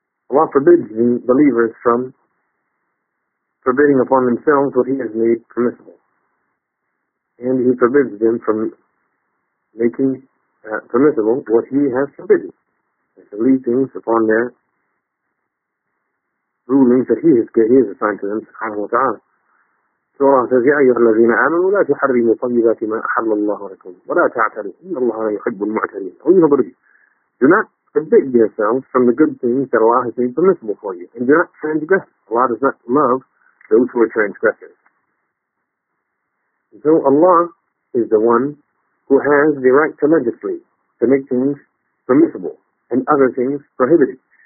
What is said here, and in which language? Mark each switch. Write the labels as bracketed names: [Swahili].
[English] Allah forbids the believers from forbidding upon themselves what He has made permissible. And He forbids them from making permissible what He has forbidden. And to leave things upon their rulings that He has assigned to them, subhanahu wa ta'ala. [Arabic] سورة يا أيها الذين آمنوا لا تحرموا طيبات ما أحل الله لكم ولا تعتدوا إن الله لا يحب المعتدين. أيها الضربي [English] do not forbid yourselves from the good things that Allah has made permissible for you, and do not transgress. Allah does not love those who are transgressors. So Allah is the one who has the right to legislate, to make things permissible and other things prohibited.